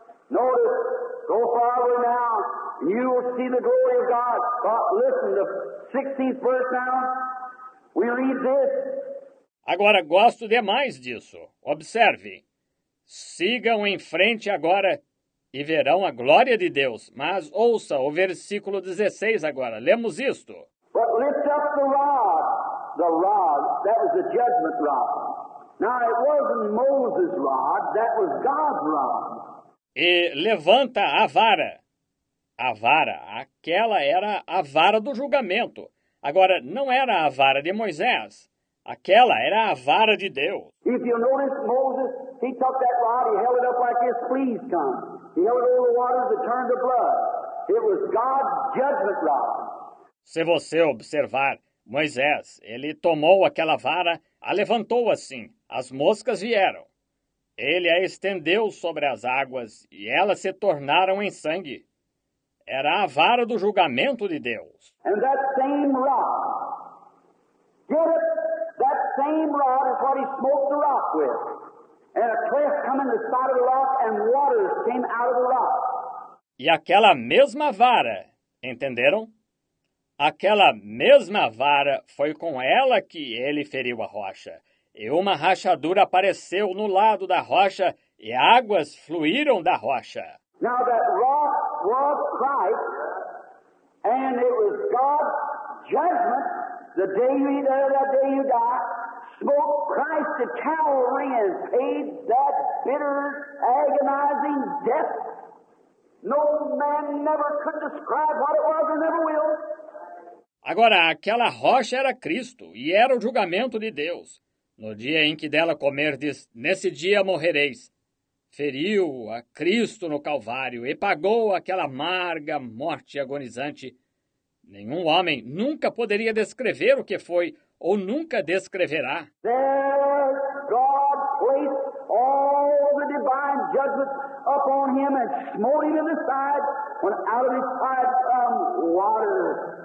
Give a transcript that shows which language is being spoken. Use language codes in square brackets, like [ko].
[en] Notice, go farther now, and you will see the glory of God. But listen, the 16th verse now, we read this. [pt] Agora, gosto demais disso. Observe. Sigam em frente agora e verão a glória de Deus. Mas ouça o versículo 16 agora. Lemos isto. [en] But lift up the rod, that was the judgment rod. Now it wasn't Moses' rod, that was God's rod. [pt] E levanta a vara. A vara, aquela era a vara do julgamento. Agora, não era a vara de Moisés. Aquela era a vara de Deus. [en] If you notice, Moses, he took that rod, he held it up like his fleas come. He held it over the waters to turn to blood. It was God's judgment rod. [pt] Se você observar, Moisés, ele tomou aquela vara, a levantou assim, as moscas vieram. Ele a estendeu sobre as águas e elas se tornaram em sangue. Era a vara do julgamento de Deus. [en] And that same rod. Get it? That same rod is what he smote the rock with. And a cleft came in the side of the rock and waters came out of the rock. [pt] E aquela mesma vara, entenderam? Aquela mesma vara foi com ela que ele feriu a rocha. E uma rachadura apareceu no lado da rocha e águas fluíram da rocha. [en] Now that rock was Christ, and it was God's judgment, the day you eat there, that day you die, smote Christ to Calvary and paid that bitter, agonizing death. No man never could describe what it was and never will. [pt] Agora, aquela rocha era Cristo e era o julgamento de Deus. No dia em que dela comerdes, nesse dia morrereis. Feriu a Cristo no Calvário e pagou aquela amarga morte agonizante. Nenhum homem nunca poderia descrever o que foi ou nunca descreverá. [en] There God placed all the divine judgment upon him and smote him in the side when out of his side come water.